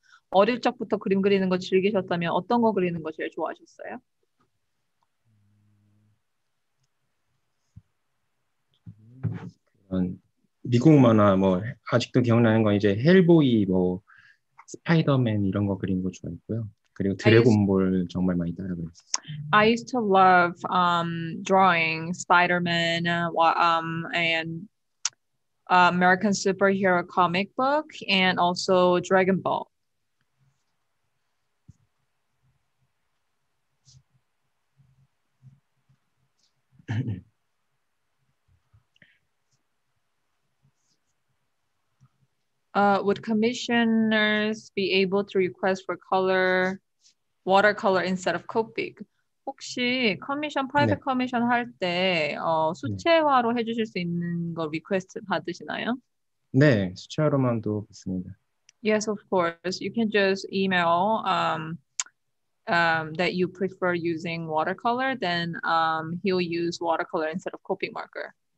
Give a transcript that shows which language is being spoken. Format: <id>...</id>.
<ko>어릴 적부터 그림 그리는 거 즐기셨다면 어떤 거 그리는 거 제일 좋아하셨어요? 미국 만화 뭐 아직도 기억나는 건 이제 헬보이 뭐 스파이더맨 이런 거 그리는 거 좋아했고요. 그리고 드래곤볼 정말 많이 따라했어요.</ko> <en>I used to love drawing Spider-Man and American superhero comic book and also Dragon Ball. 네. Would commissioners be able to request for color watercolor instead of Copic?</en> <ko>혹시 커미션 프라이빗 네. 커미션 할 때 수채화로 네. 해주실 수 있는 거 리퀘스트 받으시나요? 네, 수채화로만도 받습니다.</ko> <en>Yes, of course. You can just email that you prefer using watercolor, then he'll use watercolor instead of Copic marker.</en>